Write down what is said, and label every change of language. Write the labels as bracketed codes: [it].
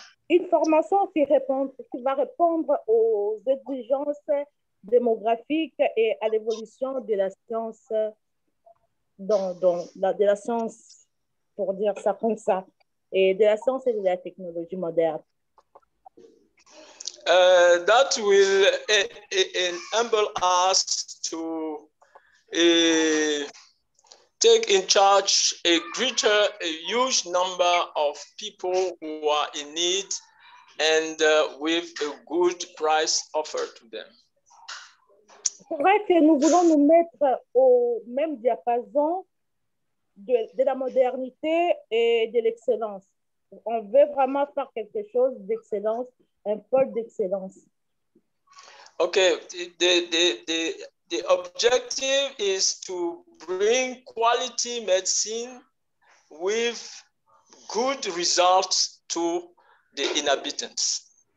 [fr] Une formation qui va répondre aux exigences démographiques et à l'évolution de la science de la science, pour dire ça comme ça, et de la science et de la technologie moderne. [en] That will enable us to take in charge a huge number of people who are in need and with a good price offered to them. [fr] C'est vrai que nous voulons nous mettre au même diapason de la modernité et de l'excellence. On veut vraiment faire quelque chose d'excellence, un pôle d'excellence. [en] OK, the objective is to bring quality medicine with good results to the inhabitants.